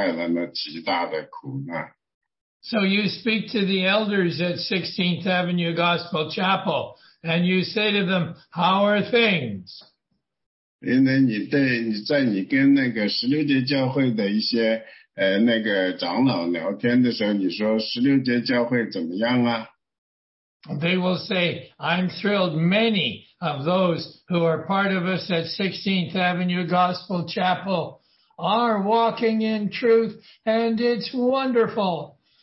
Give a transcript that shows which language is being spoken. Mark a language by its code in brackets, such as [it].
[zh] 刘辩，那个犹大，还有那些其他的几个，他的四个儿子，其实并没有遵循神的真理，也给雅各带来了极大的苦难。 [en] So you speak to the elders at 16th Avenue Gospel Chapel, and you say to them, how are things? [zh] 因为你在你跟那个十六节教会的一些那个长老聊天的时候，你说十六节教会怎么样啊？ [en] They will say, I'm thrilled many of those who are part of us at 16th Avenue Gospel Chapel are walking in truth, and it's wonderful.